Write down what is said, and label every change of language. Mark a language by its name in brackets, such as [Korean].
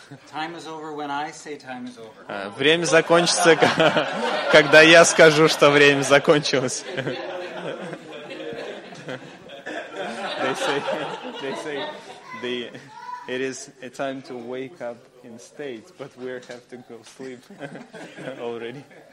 [English] Time is over when I say time is over. [Russian] Время закончится, когда я скажу, что время закончилось. [English] They say it is a time to wake up in state, but we have to go sleep already.